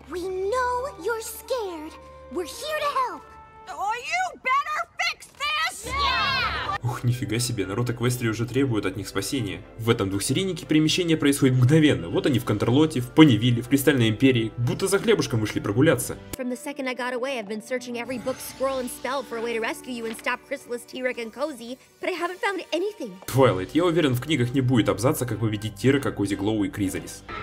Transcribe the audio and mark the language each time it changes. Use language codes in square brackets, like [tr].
[en] We know you're scared. We're here to help. Oh, you better fix this! Yeah! [ru] Ух, нифига себе, Наруто Квестри уже требуют от них спасения. В этом двухсерийнике перемещение происходит мгновенно. Вот они в Контрлоте, в Понивилле, в Кристальной Империи. Будто за хлебушком вышли прогуляться. [en] From the second I got away, I've been searching every book, scroll and spell for a way to rescue you and stop Chrysalis, T-Rex and Cozy, but I haven't found anything. [ru] Твайлайт, я уверен, в книгах не будет абзаца, как победить Тирека, Кози Глоу и Кризалис.